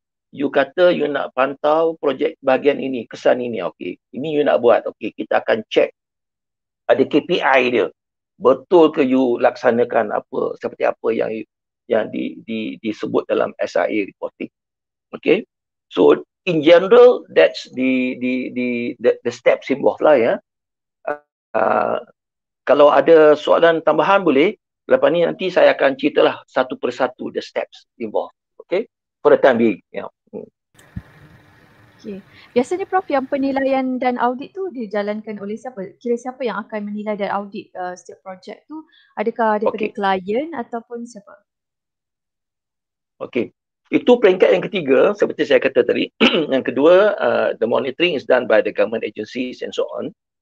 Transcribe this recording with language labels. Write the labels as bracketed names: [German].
[Malay] You kata you nak pantau projek bahagian ini, kesan ini, okay. Ini you nak buat, okay. Kita akan check ada KPI dia. Betul ke you laksanakan apa, seperti apa yang disebut dalam SIA reporting. Okay. [English] So in general, that's the steps involved lah ya. [Malay] Kalau ada soalan tambahan boleh, lepas ni nanti saya akan ceritalah satu persatu [English] the steps involved. Okay, for the time being. Yeah. [Malay] Okay. Biasanya Prof, yang penilaian dan audit tu dijalankan oleh siapa? Kira siapa yang akan menilai dan audit setiap projek tu? Adakah daripada klien ataupun siapa? Okay, itu peringkat yang ketiga seperti saya kata tadi. Yang kedua, [English] the monitoring is done by the government agencies and so on.